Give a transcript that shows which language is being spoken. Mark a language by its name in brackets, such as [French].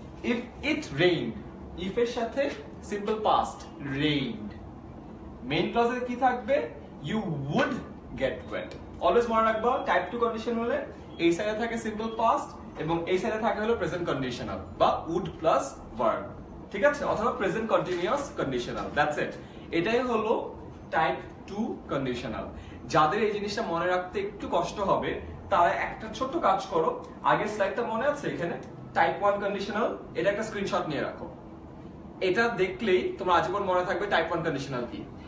[English] if it rained, if [Bangla] এর সাথে [English] Simple past, rained. [Bangla] Main ক্লজে কি থাকবে? [English] You would get wet. [Bangla] Always মনে রাখবো, type 2 condition হলে এই সাইডে থাকে simple past এবং এই সাইডে থাকে হলো present conditional বা would plus verb, ঠিক আছে? [English] অথবা present continuous conditional, that's it. [Bangla] এটাই হলো type 2 conditional. যাদের এই জিনিসটা মনে রাখতে একটু কষ্ট হবে তারা একটা ছোট কাজ করো, আগের স্লাইডটা মনে আছে? এখানে type 1 conditional, এটা একটা স্ক্রিনশট নিয়ে রাখো, এটা দেখলেই তোমার আজীবন মনে থাকবে type 1 conditional কি।